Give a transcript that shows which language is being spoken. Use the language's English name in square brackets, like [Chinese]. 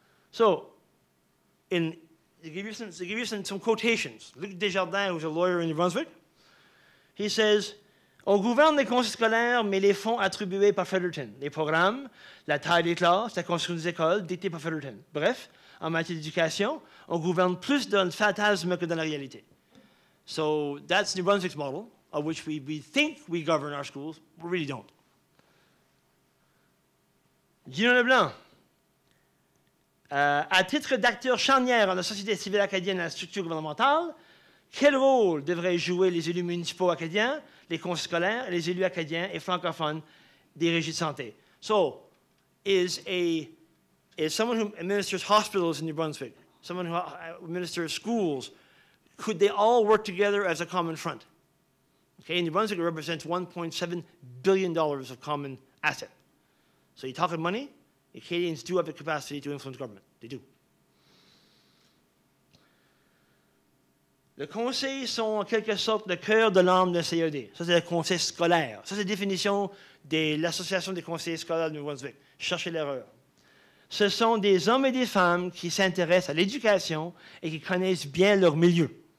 [English] So, to give you some quotations, Luc Desjardins, who's a lawyer in New Brunswick, he says, [French] on gouverne les conseils scolaires, mais les fonds attribués par Fredericton, les programmes, la taille des classes, la construction des écoles, dictée par Fredericton. Bref, en matière d'éducation, on gouverne plus dans le fantasme que dans la réalité. [English] So that's New Brunswick's model. of which we think we govern our schools, but really don't. Gino Leblanc. [French] À titre d'acteur charnière dans la société civile acadienne et la structure gouvernementale, quel rôle devraient jouer les élus municipaux acadiens, les conseils scolaires, les élus acadiens et francophones des régies de santé? [English] So, is someone who administers hospitals in New Brunswick, someone who administers schools, could they all work together as a common front? Okay, New Brunswick represents $1.7 billion of common asset. So you're talking money? Acadians do have the capacity to influence government. They do. [French] Le conseil sont en quelque sorte le cœur de l'âme d'un CED. Ça, c'est le conseil scolaire. Ça, c'est la définition de l'Association des conseillers scolaires de New Brunswick. Cherchez l'erreur. Ce sont des hommes et des femmes qui s'intéressent à l'éducation et qui connaissent bien leur milieu.